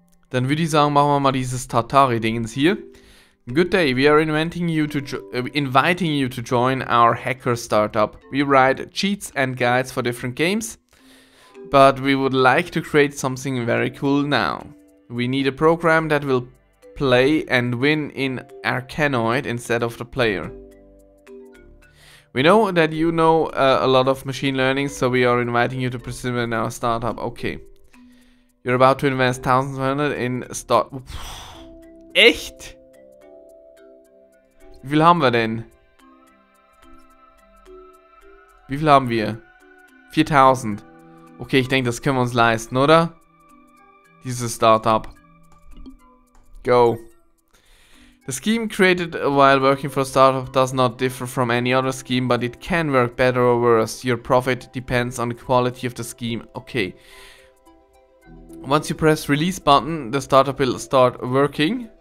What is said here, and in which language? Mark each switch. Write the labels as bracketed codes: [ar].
[de] Dann würde ich sagen, machen wir mal dieses Tartari-Dingens hier. [en] Good day, we are inviting you to join our hacker startup. We write cheats and guides for different games. But we would like to create something very cool now. We need a program that will play and win in Arkanoid instead of the player. We know that you know a lot of machine learning, so we are inviting you to participate in our startup. Okay. You're about to invest 1,200 in start... [de] Pff, echt? Wie viel haben wir denn? Wie viel haben wir? 4,000. Okay, ich denke, das können wir uns leisten, oder? Dieses Startup. Go. [en] The scheme created while working for a startup does not differ from any other scheme, but it can work better or worse. Your profit depends on the quality of the scheme. Okay. Once you press release button, the startup will start working.